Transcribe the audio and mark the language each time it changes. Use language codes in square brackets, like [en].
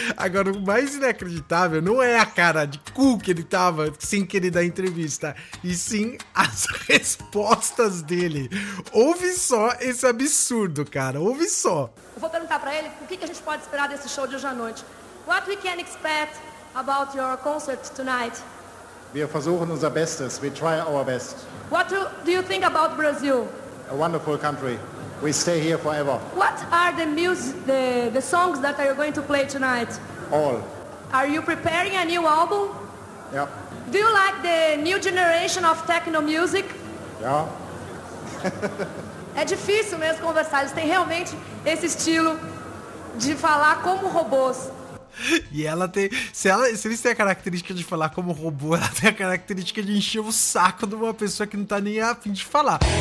[pt] Agora, o mais inacreditável não é a cara de cu que ele tava sem querer dar entrevista, e sim as respostas dele. Ouve só esse absurdo, cara. Ouve só. Eu vou perguntar pra ele o que a gente pode esperar desse show de hoje à noite. [en] What we can expect about your concert tonight? [de] Wir versuchen unser Bestes. [en] We try our best. What do you think about Brazil? A wonderful country. We stay here forever. What are the songs that are you going to play tonight? All. Are you preparing a new album? Yeah. Do you like the new generation of techno music? Yeah. [pt] É difícil mesmo conversar. Eles têm realmente esse estilo de falar como robôs. E ela tem. Se eles têm a característica de falar como robô, ela tem a característica de encher o saco de uma pessoa que não tá nem a fim de falar.